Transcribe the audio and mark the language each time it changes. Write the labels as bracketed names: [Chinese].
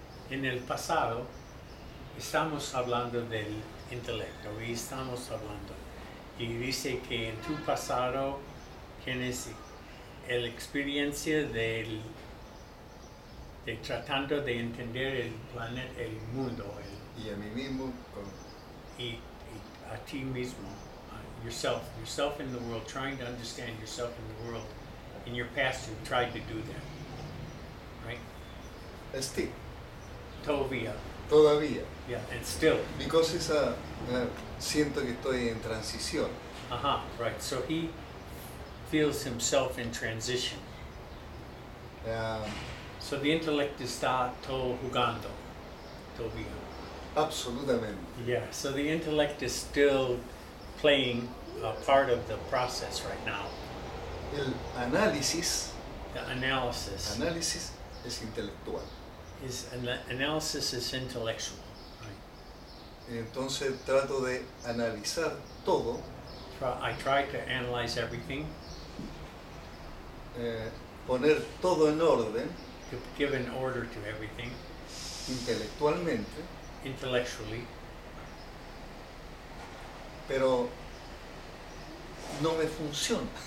[Spanish] En el pasado estamos hablando del intelecto y estamos hablando y dice que en tu pasado tienes la experiencia del de tratando de entender el planeta, el mundo, el, y a mí mismo con, y a ti mismo, [English] yourself in the world, trying to understand yourself in the world. In your past you tried to do that, right? [Spanish] Este. Todavía. [English] Yeah, and still. [Spanish] Because esa siento que estoy en transición. [English] Uh-huh, right. So he feels himself in transition. So the intellect [Spanish] está todo jugando. Todavía. Absolutamente. [English] Yeah, so the intellect is still playing a part of the process right now. [Spanish] El análisis. [English] The analysis. [Spanish] Análisis es intelectual. [English] Is an analysis is intellectual, right? [Spanish] Entonces trato de analizar todo. [English] I try to analyze everything. [Spanish] Poner todo en orden. [English] To give an order to everything. [Spanish] Intelectualmente. [English] Intellectually. [Spanish] Pero no me funciona.